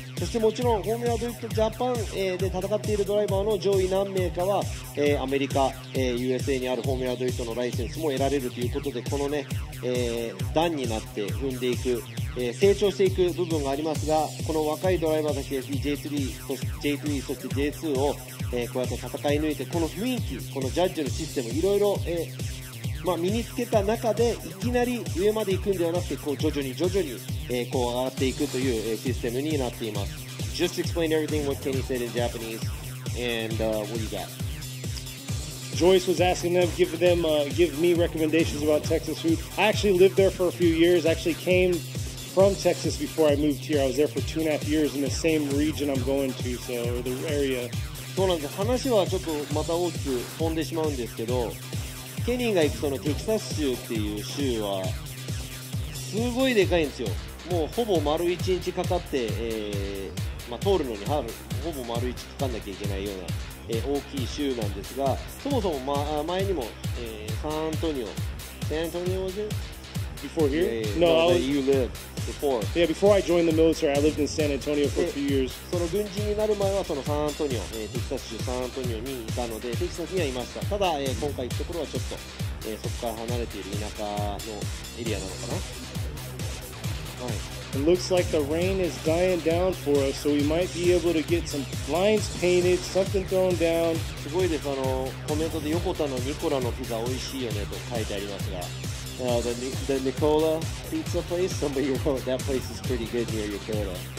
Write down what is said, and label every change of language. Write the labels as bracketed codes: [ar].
[ja] そしてもちろんフォーミュラドリフトジャパンで戦っているドライバーの上位何名かは、 アメリカ、USAにあるフォーミュラドリフトのライセンスも得られるということで、 このね、 段になって踏んでいく、 成長していく部分がありますが、 この若いドライバーたち FDJ3、J3、そして J2をこうやって戦い抜いて、この雰囲気、このジャッジのシステム、いろいろ、まあ、身につけた中でいきなり上まで行くんではなくて、こう徐々に徐々に、こう上がっていくという、システムになっています。 [en] Just explain everything what Kenny said in Japanese and what you got. Joyce was asking them, give me recommendations about Texas food. I actually lived there for a few years. I actually came from Texas before I moved here. I was there for 2.5 years in the same region I'm going to, so the area. [ja] そうなんです。話はちょっとまた大きく飛んでしまうんですけど、ケニーが行くそのテキサス州っていう州はすごいでかいんですよ。もうほぼ丸一日かかって、まあ、通るのにほぼ丸一日かかんなきゃいけないような、大きい州なんですが、そもそも、ま、前にも、サンアントニオ [en] was it? Before here? No, I was... you lived before. Yeah, before I joined the military, I lived in San Antonio for a few years. [ja] その軍人になる前はそのサンアントニオ、テキサス州サンアントニオにいたので、テキサスにはいました。ただ、今回行くところはちょっと、そこから離れている田舎のエリアなのかな。 [en] It looks like the rain is dying down for us, so we might be able to get some lines painted, something thrown down. [ja] すごいです。コメントで横田のニコラのピザ美味しいよねと書いてありますが、 [en] The Nicola pizza place, somebody wrote, that place is pretty good near Yokota.